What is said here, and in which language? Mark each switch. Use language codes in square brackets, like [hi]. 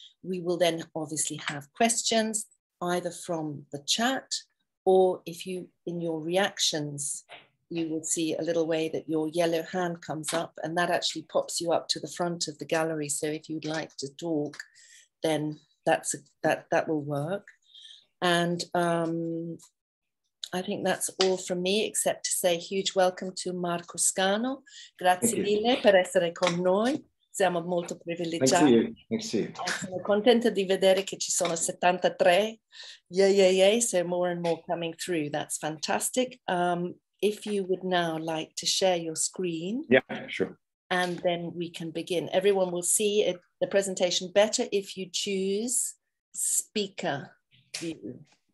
[en] We will then obviously have questions either from the chat, or if you, in your reactions, you will see a little way that your yellow hand comes up, and that actually pops you up to the front of the gallery. So if you'd like to talk, then that will work. And I think that's all from me, except to say huge welcome to Marco Scano. [it] Grazie mille per essere con noi. Siamo molto privilegiati. [en] Thank you. Thank you. [it] Sono contenta di vedere che ci sono 73. [en] Yeah, yeah, yeah. So more and more coming through. That's fantastic. If you would now like to share your screen. Yeah, sure. And then we can begin. Everyone will see it, the presentation better if you choose speaker view.